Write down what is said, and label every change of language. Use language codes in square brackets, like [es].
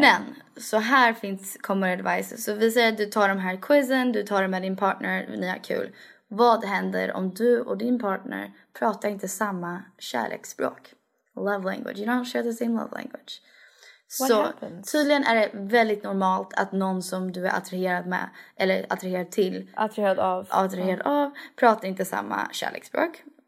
[sv] Men, så här finns kommer advice. Så vi säger att du tar de här quizen, du tar dem med din partner, ni har kul. Vad händer om du och din partner pratar inte samma kärleksspråk? [en] Love language. You don't share the same love language. What happens? [sv] Tydligen är det väldigt normalt att någon som du är attraherad med eller attraherad till, attraherad av, attraherad av, pratar inte samma kärleksspråk.